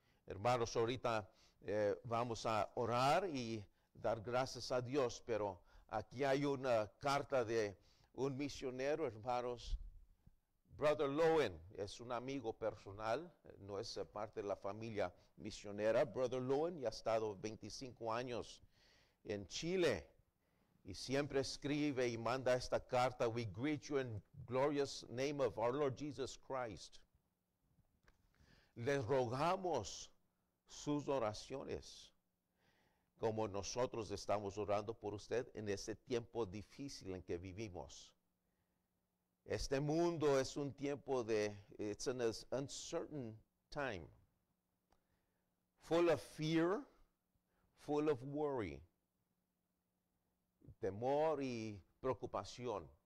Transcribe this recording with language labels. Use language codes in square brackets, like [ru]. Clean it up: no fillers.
[es] Hermanos, ahorita vamos a orar y dar gracias a Dios, pero aquí hay una carta de un misionero, hermanos. Brother Lowen es un amigo personal, no es parte de la familia misionera. Brother Lowen ya ha estado 25 años en Chile y siempre escribe y manda esta carta. [en] We greet you in glorious name of our Lord Jesus Christ. [es] Les rogamos sus oraciones, como nosotros estamos orando por usted en ese tiempo difícil en que vivimos. Este mundo es un tiempo de, [en] it's an uncertain time, full of fear, full of worry, [es] temor y preocupación.